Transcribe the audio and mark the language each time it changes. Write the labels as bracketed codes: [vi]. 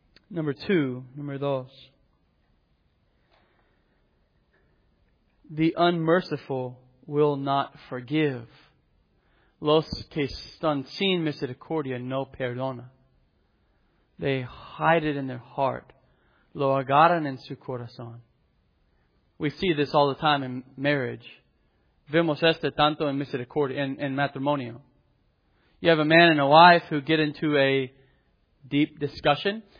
[en] Number dos. The unmerciful will not forgive. [es] los que están sin misericordia no perdona. [en] They hide it in their heart. [es] Lo agarran en su corazón. [en] We see this all the time in marriage. [es] Vemos esto tanto en misericordia, en matrimonio. [en] You have a man and a wife who get into a deep discussion.